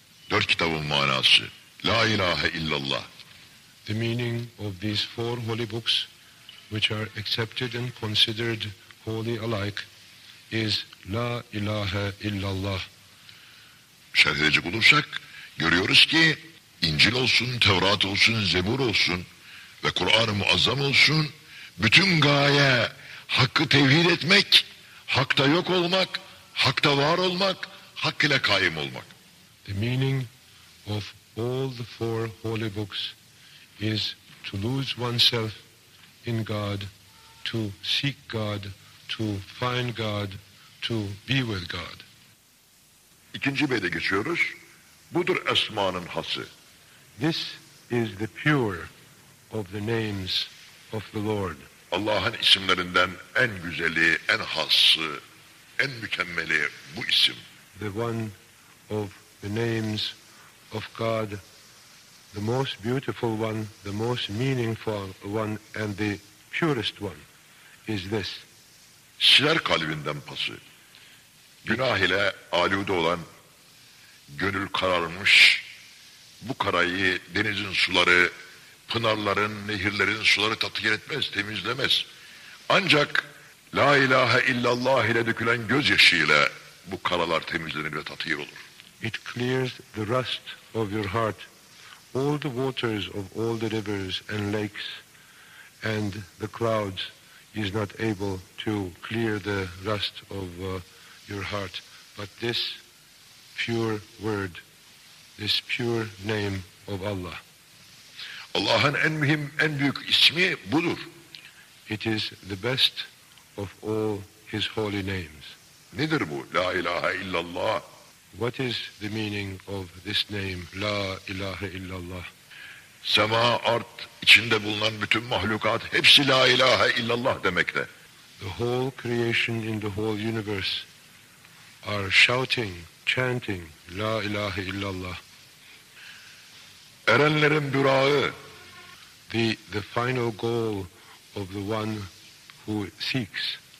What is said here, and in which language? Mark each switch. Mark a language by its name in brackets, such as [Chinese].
[Turkish] Dört kitabın manası, La ilahe illallah. [English] The meaning of these four holy books, which are accepted and considered holy alike, is La ilahe illallah. [Turkish] Şerh edecek olursak, görüyoruz ki, İncil olsun, Tevrat olsun, Zebur olsun ve Kur'an-ı Muazzam olsun, bütün gaye hakkı tevhid etmek, hakta yok olmak, hakta var olmak, hak ile kaim olmak. [English] The meaning of all the four holy books is to lose oneself in God, to seek God, to find God, to be with God. [Turkish] İkinci beyde geçiyoruz. Budur esmanın hası. [English] This is the pure of the names of the Lord. [Turkish] Allah'ın isimlerinden en güzeli, en hası, en mükemmeli bu isim. [English] The one of the names of God, the most beautiful one, the most meaningful one, and the purest one is this. [Turkish] Siler kalbinden pası. Günah ile alude olan, gönül kararmış, bu karayı denizin suları, pınarların, nehirlerin suları tatkir etmez, temizlemez. Ancak La ilahe illallah ile dökülen gözyaşıyla bu karalar temizlenir ve tatkir olur. [English] It clears the rust of your heart. All the waters of all the rivers and lakes and the clouds is not able to clear the rust of your heart. But this pure word, this pure name of Allah. [Turkish] Allah'ın en mühim, en büyük ismi budur. [English] It is the best of all his holy names. [Turkish] Nedir bu? La ilahe illallah. [English] What is the meaning of this name, La ilahe illallah? [Turkish] Sema, art, içinde bulunan bütün mahlukat, hepsi La ilahe illallah demekte. [English] The whole creation in the whole universe are shouting, chanting, La ilahe illallah. [Turkish] Erenlerin bürağı, [English] the final goal of the one who seeks,